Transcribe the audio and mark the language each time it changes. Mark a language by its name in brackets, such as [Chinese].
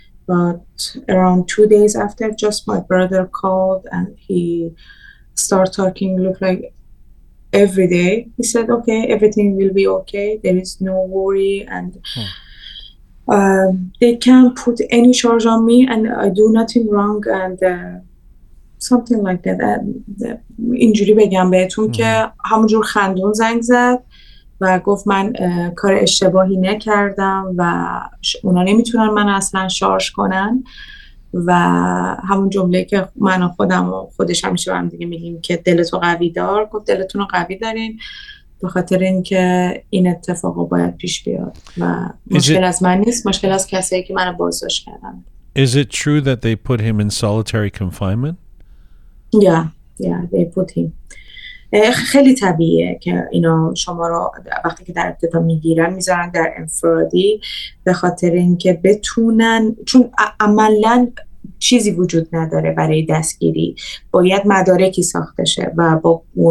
[English] But around 2 days after, just my brother called and he started talking, look like every day. He said, okay, everything will be okay. There is no worry. And they can't put any charge on me and I do nothing wrong. And something like that. [Persian] اینجوری بگم بهتون که همونجور خندون زنگ زد و گفت من کار اشتباهی نکردم و اونا نمیتونن من اصلا شارژ کنن و همون جمله که من و خودم و خودش همیشه برم دیگه میگیم که دلتو قوی دار. گفت دلتون رو قوی دارین به خاطر اینکه این اتفاق باید پیش بیاد و مشکل از من نیست، مشکل از کسایی که من رو بازداشت کردن. [English] Is it true that they put him in solitary confinement? Yeah, they put him. [Persian] خیلی طبیعیه که اینا شما رو وقتی که در ابتدا میگیرن میذارن در انفرادی به خاطر اینکه بتونن، چون عملا چیزی وجود نداره برای دستگیری، باید مدارکی ساخته شه و با